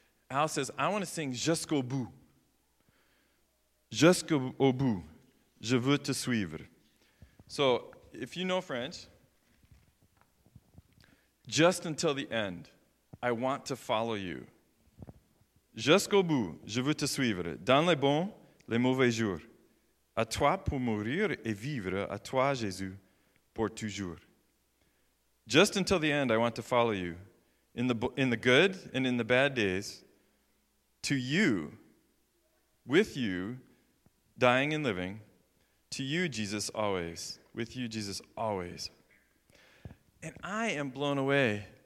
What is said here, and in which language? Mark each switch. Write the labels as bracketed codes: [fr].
[en] Al says, I want to sing [fr] Jusqu'au bout. Jusqu'au bout. Je veux te suivre. [en] So, if you know French, just until the end, I want to follow you. [fr] Jusqu'au bout, je veux te suivre. Dans les bons, les mauvais jours. À toi pour mourir et vivre. À toi, Jésus, pour toujours. [en] Just until the end, I want to follow you. In the good and in the bad days, to you, with you, dying and living, to you, Jesus, always. With you, Jesus, always. And I am blown away.